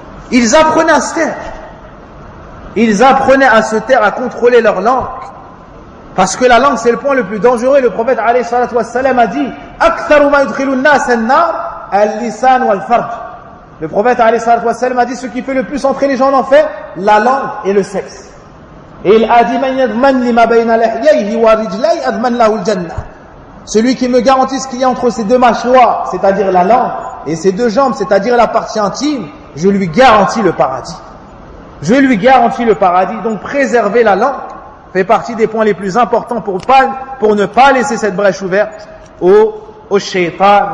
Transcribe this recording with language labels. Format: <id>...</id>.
<fr>Ils apprenaient à se taire. Ils apprenaient à se taire, à contrôler leur langue. Parce que la langue, c'est le point le plus dangereux. Le prophète, alayhi salatu wassalam, a dit,</fr> <ar>أكثر ما يدخل الناس النار اللسان والفرج.</ar> <fr>Le prophète, alayhi salatu wassalam, a dit, ce qui fait le plus entrer les gens en enfer, la langue et le sexe. Et il a dit,</fr> <ar>من يضمن لما بين لحييه ورجليه أضمن له الجنة.</ar> <fr>Celui qui me garantit ce qu'il y a entre ses deux mâchoires, c'est-à-dire la langue, et ses deux jambes, c'est-à-dire la partie intime, je lui garantis le paradis. Je lui garantis le paradis. Donc préserver la langue fait partie des points les plus importants pour ne pas laisser cette brèche ouverte au shaytan.</fr>